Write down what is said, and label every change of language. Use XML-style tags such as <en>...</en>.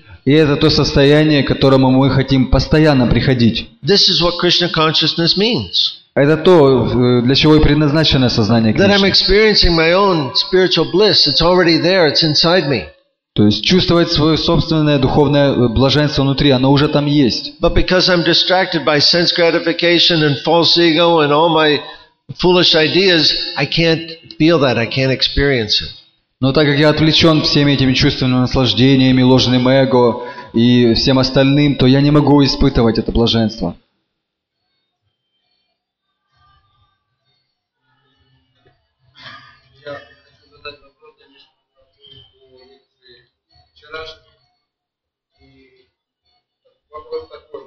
<ru>И это то состояние, к которому мы хотим постоянно приходить.</ru> <en>This is what Krishna consciousness means.</en> <ru>Это то, для чего и предназначено сознание Кришны.</ru> <en>That I'm experiencing my own spiritual bliss. It's already there. It's inside me.</en> <ru>То есть чувствовать свое собственное духовное блаженство внутри, оно уже там есть.</ru> <en>But because I'm distracted by sense gratification and false ego and all my foolish ideas, I can't feel that. I can't experience it.</en> <ru>Но так как я отвлечен всеми этими чувственными наслаждениями, ложным эго и всем остальным, то я не могу испытывать это блаженство. Я хочу задать вопрос, конечно, по поводу лекции вчерашней. И вопрос такой.</ru>